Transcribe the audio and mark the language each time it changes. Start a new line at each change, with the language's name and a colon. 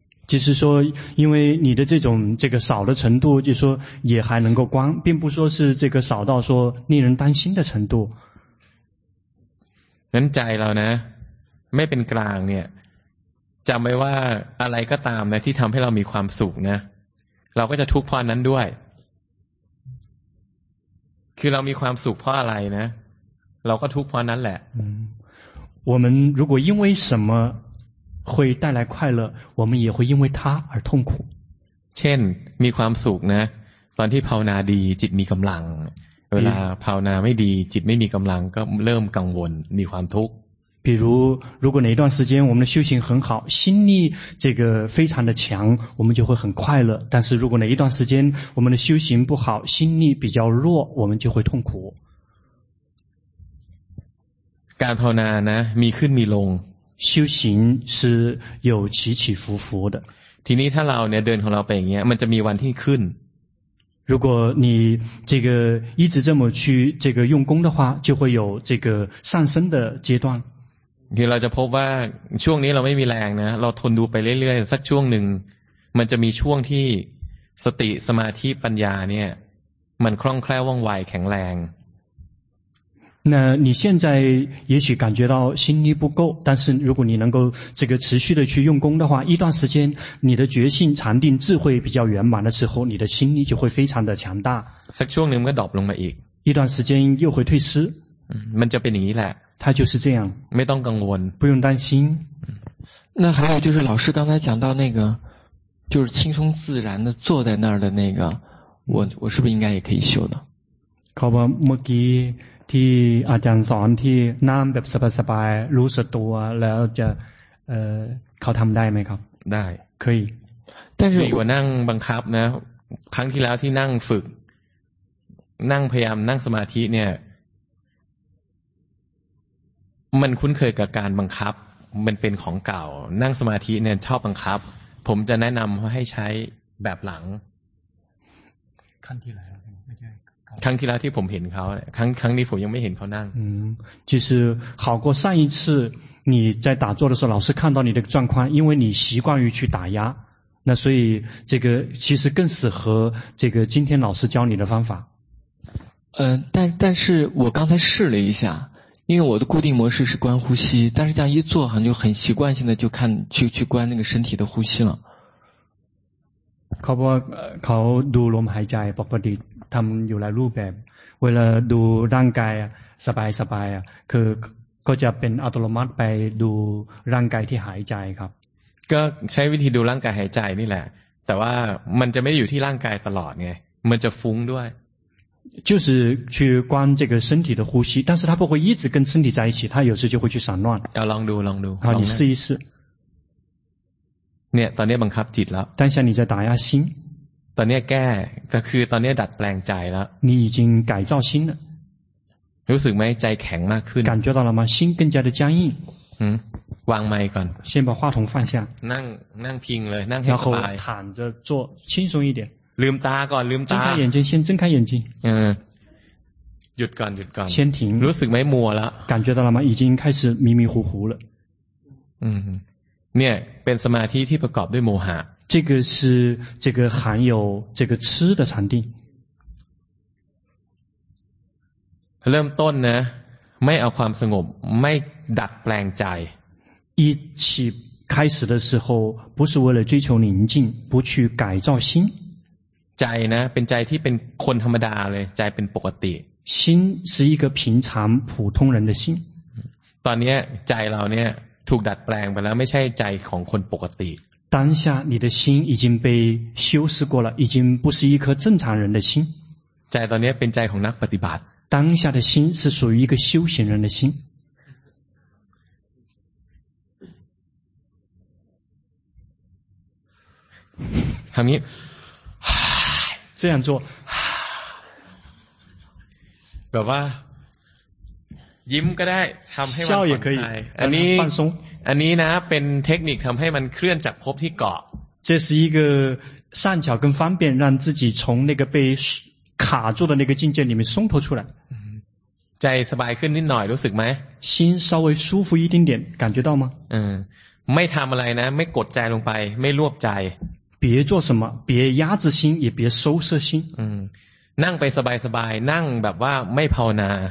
Thai: จริงๆ
Chinese: 说因为你的这个少的程度就是说也还能够观并不说是这个少到说令人担心的程度
Thai: นั้นใจเรานะไม่เป็นกลางเนี่ยจำไว้ว่าอะไรก็ตามนะที่ทำให้เรามีความสุขนะเราก็จะทุกข์เพราะนั้นด้วยคือเรามีความสุขเพราะอะไรนะเราก็ทุกข์เพราะนั้นแหละ
Chinese: 我们如果因为什么会带来快乐我们也会因为它而痛苦
Thai: ช่นมีความสุขนะตอนที่ภาวนาดีจิตมีกำลังเวลาภาวนาไม่ดีจิตไม่มีกำลังก็เริ่มกังวลมีความทุกข์
Chinese: 比如如果哪一段时间我们的修行很好心力这个非常的强我们就会很快乐但是如果哪一段时间我们的修行不好心力比较弱我们就会痛苦
Thai: การภาวนานะมีขึ้นมีลง
Chinese: 修行是有起起伏伏的
Thai: ทีนี้ถ้าเราเนี่ยเดินของเราไปอย่างเงี้ยมันจะมีวันที่ขึ้น
Chinese: 如果你这个一直这么去这个用功的话就会有这个上升的阶段
Thai: เราจะพบว่าช่วงนี้เราไม่มีแรงนะเราทนดูไปเรื่อยๆสักช่วงหนึ่งมันจะมีช่วงที่สติสมาธิปัญญาเนี่ยมันคล่องแคล่วว่องไวแข็งแรง
Chinese: 那你现在也许感觉到心力不够但是如果你能够这个持续的去用功的话一段时间你的觉性禅定智慧比较圆满的时候你的心力就会非常的强大
Thai: สักช่วงหนึ่งก็ดรอปลงมาอีก
Chinese: 一段时间又会退失
Thai: มันจะเป็นอย่างนี้แหละ
Chinese: 它就是这样
Thai: ไม่ต้องกังวล
Chinese: 不用担心那还有就是老师刚才讲到那个就是轻松自然的坐在那儿的那个我是不是应该也可以修呢
Thai: ขอบคุณเมื่อกี้ที่อาจารย์สอนที่นั่งแบบสบายๆรู้สึกตัวแล้วจะเขาทำได้ไหมครับ ได้เ คยดีกว่านั่งบังคับนะครั้งที่แล้วที่นั่งฝึกนั่งพยายามนั่งสมาธิเนี่ยมันคุ้นเคยกับการบังคับมันเป็นของเก่านั่งสมาธิเนี่ยชอบบังคับผมจะแนะนำให้ใช้แบบหลัง ขั้นที่แล้ว ครั้งที่แล้วที่ผมเห็นเขาครั้งนี้ผมยังไม่เห็นเขานั่ง คือ
Chinese: 好过上一次你在打坐的时候老师看到你的状况因为你习惯于去打压那所以这个其实更适合这个今天老师教你的方法但是我刚才试了一下因为我的固定模式是观呼吸但是这样一坐好像就很习惯性的就看去观那个身体的呼吸了
Thai: เขาบอกเขาดูลมหายใจปกติทำอยู่หลายรูปแบบเวลาดูร่างกายสบายสบายคือก็จะเป็นอัตโนมัติไปดูร่างกายที่หายใจครับ ก็ใช้วิธีดูร่างกายหายใจนี่แหละแต่ว่ามันจะไม่อยู่ที่ร่างกายตลอดไงมันจะฟุ้งด้วย
Chinese: 就是去观这个身体的呼吸但是它不会一直跟身体在一起它有时就会去散乱
Thai: เอาลองดู
Chinese: 好你试一试
Thai: เนี่ยตอนนี้บังคับจิตแล้ว
Chinese: 但是你在打压心
Thai: ตอนนี้แก้ก็คือตอนนี้ดัดแปลงใจแล้ว
Chinese: 你已经改造心了
Thai: รู้สึกไหมใจแข็งมากขึ้น
Chinese: 感觉到了吗心更加的僵硬
Thai: วางไมค์ก่อน
Chinese: 先把话筒放下
Thai: นั่งพิงเลยนั่งให้สบาย
Chinese: 然后躺着坐轻松一点
Thai: ลืมตาก่อนลืมตา
Chinese: 睁开眼睛先睁开眼睛
Thai: หยุดก่อน
Chinese: 先停
Thai: รู้สึกไหมมัวแล้ว
Chinese: 感觉到了吗已经开始迷迷糊糊了
Thai: เนี่ยเป็นสมาธิที่ประกอบด้วยโมหะ
Chinese: 这个是这个含有这个痴的禅定
Thai: เริ่มต้นนะไม่เอาความสงบไม่ดัดแปลงใจ
Chinese: 一起开始的时候不是为了追求宁静不去改造心
Thai: ใจนะเป็นใจที่เป็นคนธรรมดาเลยใจเป็นปกติ
Chinese: 心是一个平常普通人的心
Thai: ตอนนี้ใจเราเนี่ยถูกดัดแปลงไปแล้วไม่ใช่ใจของคนปกติ
Chinese: 当下你的心已经被修饰过了已经不是一颗正常人的心
Thai: ใจตอนนี้เป็นใจของนักปฏิบัติ
Chinese: 当下的心是属于一个修行人的心
Thai: ทำนี้
Chinese: 这样做
Thai: แบบว่ายิ้มก็ได้ทำให้มัน ผ่ อน คล าย อันนี้ นะเป็นเทคนิคทำให้มันเคลื่อนจากภพที่เกาะ
Chinese: 这是一个善巧跟方便让自己从那个被卡住的那个境界里面松脱出来
Thai: ใจสบายขึ้นนิดหน่อยรู้สึกไหม
Chinese: 心稍微舒服一丁点感觉到吗
Thai: ไม่ทำอะไรนะไม่กดใจลงไปไม่รวบใจ
Chinese: 别做什么别压制心也别收摄心
Thai: นั่งไปสบายๆนั่งแบบว่าไม่ภาวนา